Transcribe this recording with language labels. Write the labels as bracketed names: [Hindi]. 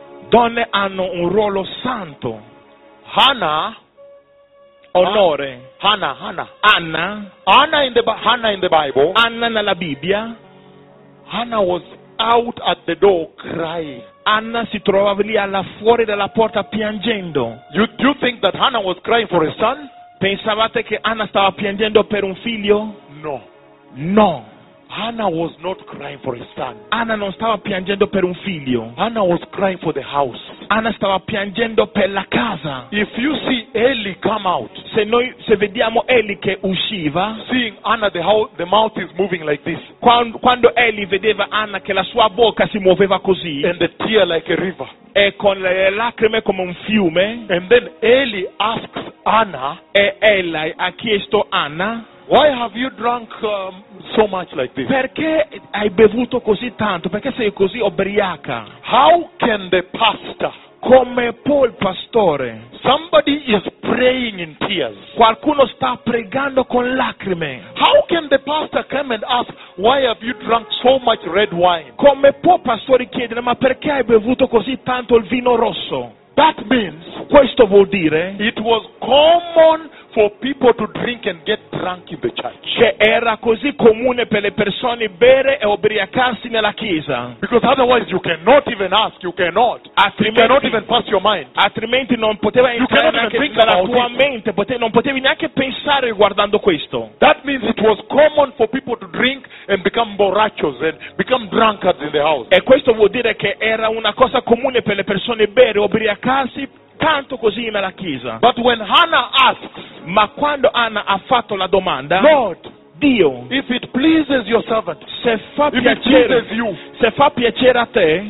[Italian] Donne hanno un ruolo santo. [English] Hannah, [Italian] onore. [English] Hannah. Anna in the Bible. [Italian] Anna nella Bibbia. [English] Hannah was out at the door crying. [Italian] Anna si trovava lì alla fuori della porta piangendo. [English] You think that Hannah was crying for a son? [Italian] Pensavate che Anna stava piangendo per un figlio? [English] No. [Italian] No. [English] Anna was not crying for a son. [Italian] Anna non stava piangendo per un figlio. [English] Anna was crying for the house. [Italian] Anna stava piangendo per la casa. [English] If you see Eli come out, [Italian] se vediamo Eli che usciva, [English] seeing Anna the mouth is moving like this, [Italian] quando Eli vedeva Anna che la sua bocca si muoveva così, [English] and the tear like a river, [Italian] e con le lacrime come un fiume, [English] and then Eli asks Anna, [Italian] e Eli ha chiesto Anna, [English] why have you drunk so much like this? [Italian] Perché hai bevuto così tanto? Perché sei così ubriaca? [English] How can the pastor? [Italian] Come può il pastore? [English] Somebody is praying in tears. [Italian] Qualcuno sta pregando con lacrime. [English] How can the pastor come and ask, why have you drunk so much red wine? [Italian] Come può il pastore chiedere, ma perché hai bevuto così tanto il vino rosso? [English] That means, [Italian] questo vuol dire, [English] it was common for people to drink and get drunk in the church. [Italian] Che era così comune per le persone bere e ubriacarsi nella chiesa. [English] Because otherwise you cannot even ask, [Italian] Altrimenti, [English] you cannot even pass your mind. [Italian] Altrimenti non poteva [English] you [Italian] entrare [English] think [Italian] nella [English] about [Italian] tua [English] it. [Italian] Mente, non potevi neanche pensare riguardando questo. [English] That means it was common for people to drink and become borrachos and become drunkards in the house. [Italian] E questo vuol dire che era una cosa comune per le persone bere e ubriacarsi tanto così nella chiesa. [English] But when Hannah asks, [Italian] ma quando Anna ha fatto la domanda, [English] Lord, [Italian] Dio, [English] if it pleases your servant, [Italian] se fa piacere, [English] you, [Italian] se fa piacere a te,